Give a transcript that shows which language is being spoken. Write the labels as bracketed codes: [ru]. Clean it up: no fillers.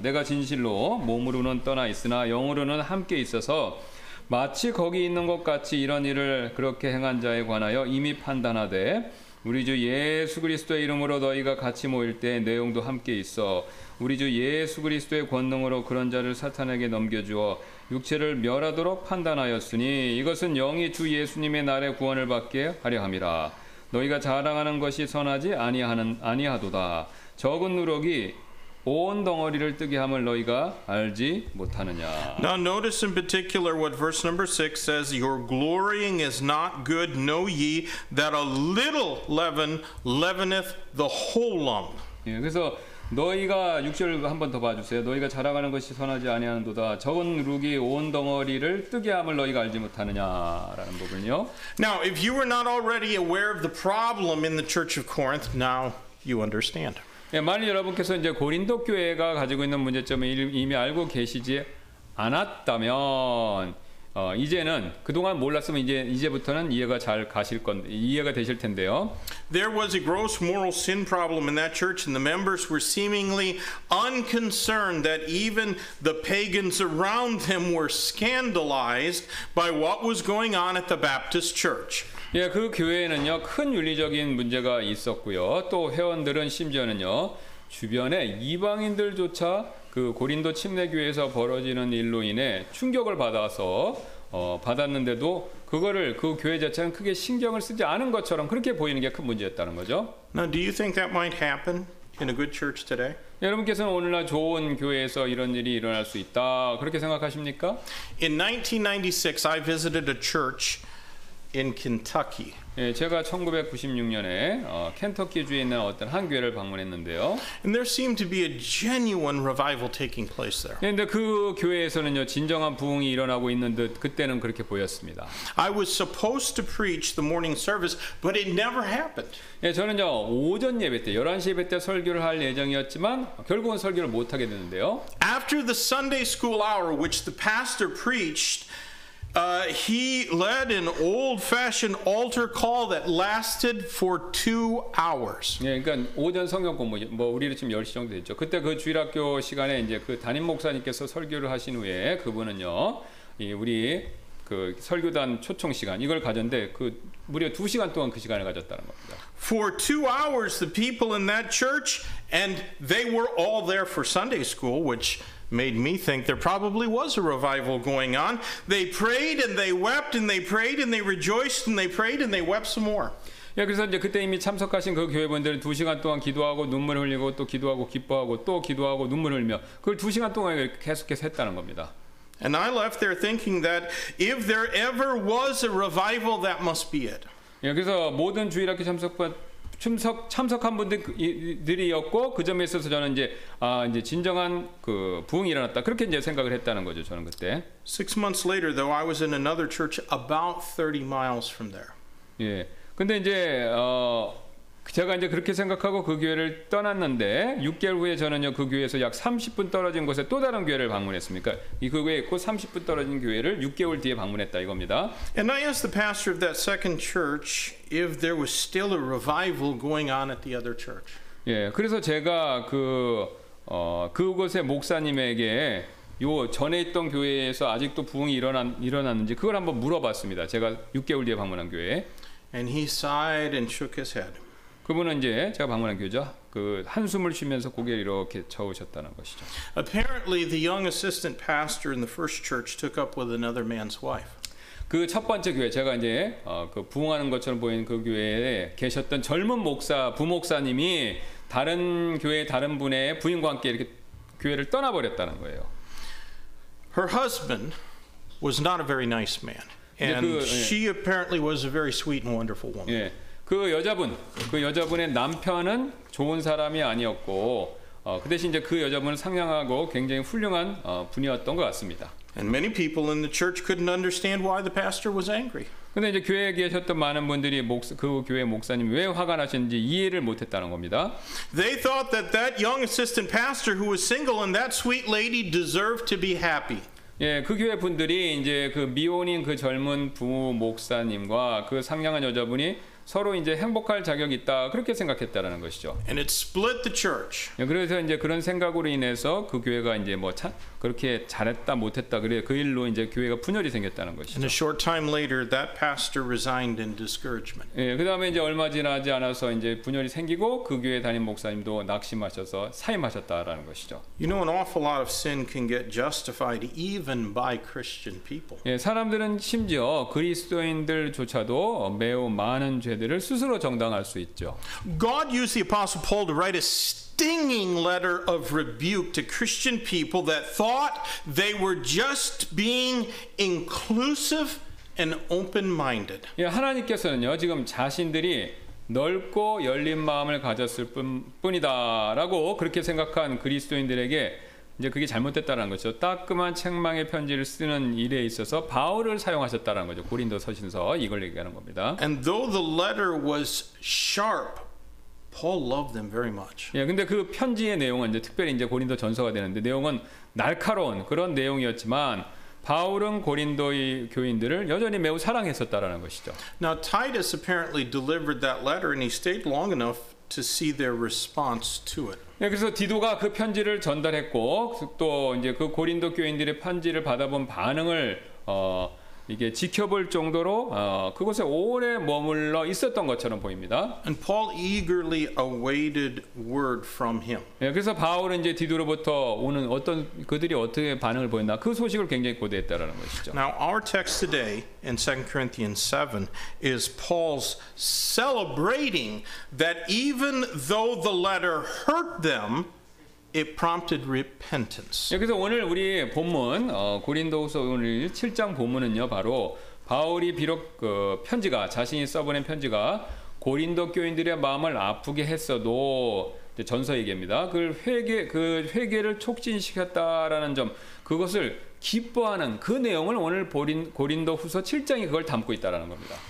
[ko] 내가 진실로 몸으로는 떠나 있으나 영으로는 함께 있어서 마치 거기 있는 것 같이 이런 일을 그렇게 행한 자에 관하여 이미 판단하되 우리 주 예수 그리스도의 이름으로 너희가 같이 모일 때 내용도 함께 있어 우리 주 예수 그리스도의 권능으로 그런 자를 사탄에게 넘겨주어 육체를 멸하도록 판단하였으니 이것은 영이 주 예수님의 날에 구원을 받게 하려 함이라. 너희가 자랑하는 것이 선하지 아니하도다. 적은 누룩이 온 덩어리를 뜨게 함을 너희가 알지 못하느냐. [en] Now notice in particular what verse number 6 says, your glorying is not good, know ye that a little leaven leaveneth the whole lump. [ko] 예, 그래서 너희가 6절 한번 더 봐주세요. 너희가 자랑하는 것이 선하지 아니하는도다. 적은 룩이 온 덩어리를 뜨게 함을 너희가 알지 못하느냐라는 부분이요. [en] Now if you were not already aware of the problem in the church of Corinth, now you understand. [ko] 예, 만일 여러분께서 이제 고린도 교회가 가지고 있는 문제점을 이미 알고 계시지 않았다면 이제는 그동안 몰랐으면 이제부터는 이해가 잘 가실 건 이해가 되실 텐데요. [en] There was a gross moral sin problem in that church and the members were seemingly unconcerned that even the pagans around them were scandalized by what was going on at the Baptist church. [ko] 예, 그 교회에는요 큰 윤리적인 문제가 있었고요. 또 회원들은 심지어는요 주변에 이방인들조차 그 고린도 침례 교회에서 벌어지는 일로 인해 충격을 받아서 받았는데도 그거를 그 교회 자체는 크게 신경을 쓰지 않은 것처럼 그렇게 보이는 게 큰 문제였다는 거죠. [en] Now, do you think that might happen in a good church today? [ko] 여러분께서는 오늘날 좋은 교회에서 이런 일이 일어날 수 있다 그렇게 생각하십니까? [en] In 1996, I visited a church. in Kentucky. [ko] 예, 제가 1996년에 켄터키 주에 있는 어떤 한 교회를 방문했는데요. [en] And there seemed to be a genuine revival taking place there. [ko] 근데 그 교회에서는요, 진정한 부흥이 일어나고 있는 듯 그때는 그렇게 보였습니다. [en] I was supposed to preach the morning service, but it never happened. [ko] 예, 저는요, 오전 예배 때 11시 예배 때 설교를 할 예정이었지만 결국은 설교를 못 하게 됐는데요. [en] After the Sunday school hour which the pastor preached, he led an old-fashioned altar call that lasted for 2 hours. [ko] 예, 그러니까 오전 성경 공부 뭐 우리도 지금 10시 정도 됐죠. 그때 그 주일학교 시간에 이제 그 담임 목사님께서 설교를 하신 후에 그분은요, 이 우리 그 설교단 초청 시간 이걸 가졌는데 그 무려 2시간 동안 그 시간을 가졌다는 겁니다. [en] For 2 hours, the people in that church, and they were all there for Sunday school, which made me think there probably was a revival going on. They prayed and they wept and they prayed and they rejoiced and they prayed and they wept some more. [ko] 예, 그래서 이제 그때 이미 참석하신 그 교회분들은 두 시간 동안 기도하고 눈물 흘리고 또 기도하고 기뻐하고 또 기도하고 눈물 흘리며 그걸 두 시간 동안 계속해서 했다는 겁니다. [en] And I left there thinking that if there ever was a revival, that must be it. [ko] 예, 그래서 모든 주일학교 참석한 분들이었고 그 점에 있어서 저는 이제 아 이제 진정한 그 부흥이 일어났다 그렇게 이제 생각을 했다는 거죠 저는 그때. [en] Six months later, though, I was in another church about 30 miles from there. [ko] 예, 근데 이제 제가 이제 그렇게 생각하고 그 교회를 떠났는데 6개월 후에 저는요 그 교회에서 약 30분 떨어진 곳에 또 다른 교회를 방문했습니까? 이 그 교회 곧 30분 떨어진 교회를 6개월 뒤에 방문했다 이겁니다. [en] And I asked the pastor of that second church if there was still a revival going on at the other church. [ko] 예, 그래서 제가 그 그곳의 목사님에게 요 전에 있던 교회에서 아직도 부흥이 일어났는지 그걸 한번 물어봤습니다. 제가 6개월 뒤에 방문한 교회. [en] And he sighed and shook his head. [ko] 그분은 이제 제가 방문한 교회죠. 그 한숨을 쉬면서 고개를 이렇게 저으셨다는 것이죠. [en] Apparently, the young assistant pastor in the first church took up with another man's wife. [ko] 그 첫 번째 교회 제가 이제 그 부흥하는 것처럼 보이는 그 교회에 계셨던 젊은 목사 부목사님이 다른 교회 다른 분의 부인과 함께 이렇게 교회를 떠나버렸다는 거예요. [en] Her husband was not a very nice man, and 그, 예. she apparently was a very sweet and wonderful woman. [ko] 예. 그 여자분의 남편은 좋은 사람이 아니었고 그 대신 이제 그 여자분은 상냥하고 굉장히 훌륭한 분이었던 것 같습니다. [en] And many people in the church couldn't understand why the pastor was angry. [ko] 근데 이제 교회에 계셨던 많은 분들이 그 교회 목사님이 왜 화가 나셨는지 이해를 못 했다는 겁니다. [en] They thought that that young assistant pastor who was single and that sweet lady deserved to be happy. [ko] 예, 그 교회 분들이 이제 그 미혼인 그 젊은 부모 목사님과 그 상냥한 여자분이 서로 이제 행복할 자격이 있다 그렇게 생각했다라는 것이죠. [en] And it split the church. [ko] 그래서 이제 그런 생각으로 인해서 그 교회가 이제 뭐 그렇게 잘했다 못했다 그래 그 일로 이제 교회가 분열이 생겼다는 것이죠. [en] And a short time later, that pastor resigned in discouragement. [ko] 예, 그다음에 이제 얼마 지나지 않아서 이제 분열이 생기고 그 교회 담임 목사님도 낙심하셔서 사임하셨다라는 것이죠. [en] You know, an awful lot of sin can get justified even by Christian people. [ko] 예, 사람들은 심지어 그리스도인들조차도 매우 많은 죄들을 스스로 정당할 수 있죠. God used the Apostle Paul to write a stinging letter of rebuke to Christian people that thought they were just being inclusive and open-minded. 예, 하나님께서는요, 지금 자신들이 넓고 열린 마음을 가졌을 뿐이다라고 그렇게 생각한 그리스도인들에게 이제 그게 잘못됐다는 거죠. 따끔한 책망의 편지를 쓰는 일에 있어서 바울을 사용하셨다는 거죠. 고린도 서신서 이걸 얘기하는 겁니다. [en] And though the letter was sharp, Paul loved them very much. [ko] 예, 근데 그 편지의 내용은 이제 특별히 이제 고린도 전서가 되는데 내용은 날카로운 그런 내용이었지만 바울은 고린도의 교인들을 여전히 매우 사랑했었다라는 것이죠. [en] Now Titus apparently delivered that letter and he stayed long enough to see their response to it. [ko] 예, 그래서 디도가 그 편지를 전달했고 또 이제 그 고린도 교인들의 편지를 받아본 반응을 이게 지켜볼 정도로 그곳에 오래 머물러 있었던 것처럼 보입니다. [en] And Paul eagerly awaited word from him. [ko] 예, 그래서 바울은 이제 디도로부터 오는 어떤 그들이 어떻게 반응을 보였나 그 소식을 굉장히 고대했다라는 것이죠. [en] Now our text today in 2 Corinthians 7 is Paul's celebrating that even though the letter hurt them, it prompted repentance. [ko] 여기서 오늘 우리 본문 고린도후서 오늘 7장 본문은요 바로 바울이 비록 그 편지가 자신이 써보낸 편지가 고린도 교인들의 마음을 아프게 했어도 이제 전서 얘기입니다. 그 회개를 촉진시켰다라는 점, 그것을 기뻐하는 그 내용을 오늘 고린도 후서 7장이 그걸 담고 있다라는 겁니다.